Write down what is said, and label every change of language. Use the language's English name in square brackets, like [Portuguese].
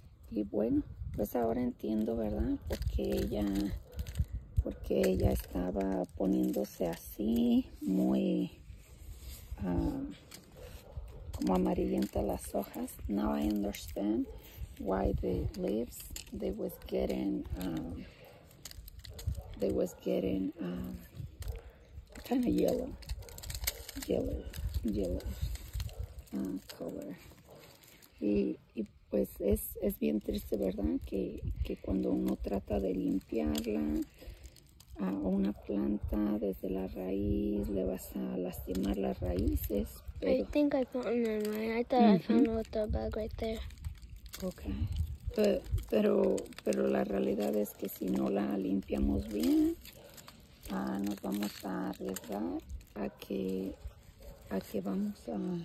[Spanish] Y bueno, pues ahora entiendo, ¿verdad? Porque ella estaba poniéndose así, muy como amarillenta las hojas. [English] Now I understand why the leaves, they was getting kind of yellow color. [Spanish] Y pues es bien triste, ¿verdad? Que cuando uno trata de limpiarla, a una planta desde la raíz, le vas a lastimar las raíces. [English] Pero... I think I found them, right? I thought I found them with the bug right there. Okay. [Spanish] Pero la realidad es que si no la limpiamos bien, nos vamos a arriesgar a que vamos a...